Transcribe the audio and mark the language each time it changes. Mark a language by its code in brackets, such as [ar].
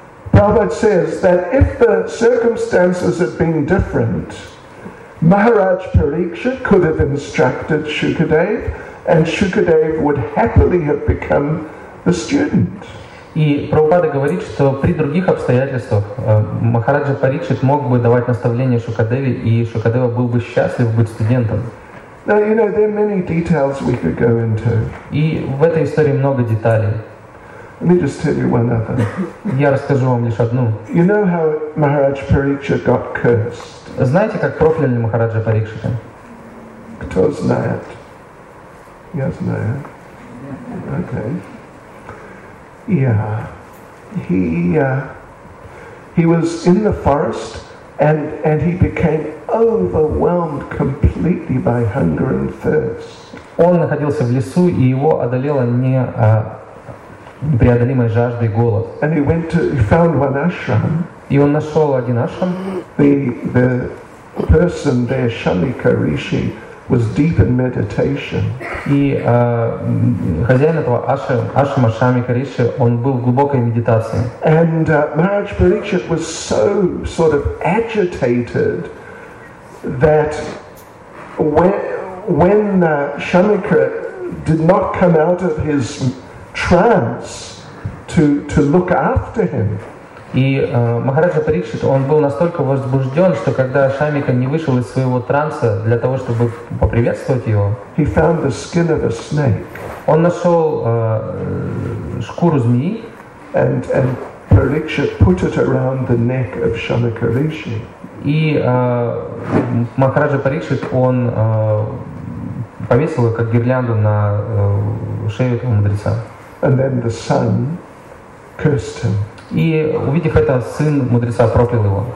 [en] Prabhupada says that if the circumstances had been different, Maharaj Parikshit could have instructed Shukadev, and Shukadev would happily have become the student. [ru] И Прабхупада говорит, что при других обстоятельствах Махараджа Парикшит мог бы давать наставление Шукадеве, и Шукадева был бы счастлив быть студентом. [en] Now, you know, there are many details we could go into. [ru] И в этой истории много деталей. [en] Let me just tell you one other. [ru] Я расскажу вам лишь одну. [en] You know how Maharaj Parikshit got cursed? [ru] Знаете, как прокляли Махараджа Парикшита? Кто знает? Я знаю. Окей. [en] Yeah, he was in the forest, and he became overwhelmed completely by hunger and thirst. [ru] Он находился в лесу, и его одолело не непреодолимой жажды и голод. [en] And he went to, he found one ashram. [ru] И он нашел один ашрам. [en] The person there, Shamika Rishi, was deep in meditation. [ru] И хозяин этого ашрама Шамика Риши, он был в глубокой медитации. [en] And Maharaj Pariksit was so sort of agitated that when Shamika did not come out of his trance to look after him. [ru] И Махараджа Парикшит, он был настолько возбужден, что когда Шамика не вышел из своего транса для того, чтобы поприветствовать его, [en] he found the skin of a snake. [ru] Он нашел шкуру змеи, [en] and Parikshit put it around the neck of Shamika Rishi. [ru] И Махараджа Парикшит, он повесил ее как гирлянду на шею этого мудреца. [en] And then the sun cursed him. [ru] И увидев это, сын мудреца проклял его.